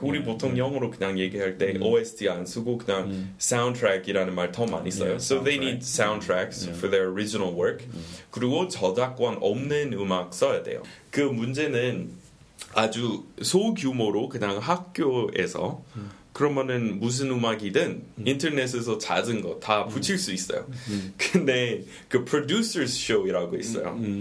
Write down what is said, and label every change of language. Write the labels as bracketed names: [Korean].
[Korean] 우리 보통 영어로 그냥 얘기할 때 OST 안 쓰고 그냥 사운드트랙이라는 말 더 많이 써요. [English] Yeah, so they need soundtracks for their original work. [Korean] 그리고 저작권 없는 음악 써야 돼요. 그 문제는 아주 소규모로 그냥 학교에서 그러면은 무슨 음악이든 인터넷에서 찾은 거 다 붙일 수 있어요. 근데 그 [English] producers show [Korean] 이라고 있어요.